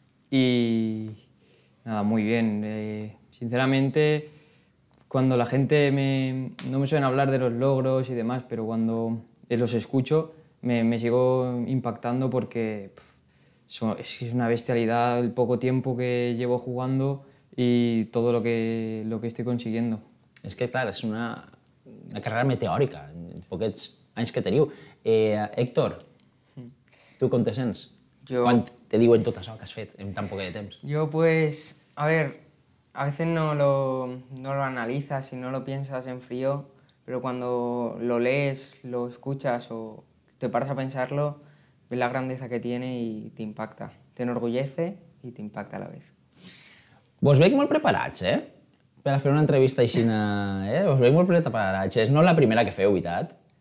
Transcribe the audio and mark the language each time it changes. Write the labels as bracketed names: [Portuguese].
[Spanish] Y nada, muy bien. Sinceramente, cuando la gente me... No me suelen hablar de los logros y demás, pero cuando los escucho, me sigo impactando porque es una bestialidad el poco tiempo que llevo jugando y todo lo que estoy consiguiendo. [Catalan] Es que, claro, es una carrera meteòrica, poquets anys que teniu. Héctor, tu com te sents? Yo... Quan te diuen tot això que has fet en tan poquet de temps? [Spanish] Yo, pues, a ver, a veces no lo analizas y no lo piensas en frío, pero cuando lo lees, lo escuchas o te paras a pensarlo, ves la grandeza que tiene y te impacta. Te enorgullece y te impacta a la vez. [Catalan] Vos veig molt preparats, eh? Per a fer una entrevista aixina, eh? Us veig molt preparats. És no la primera que feu, veritat?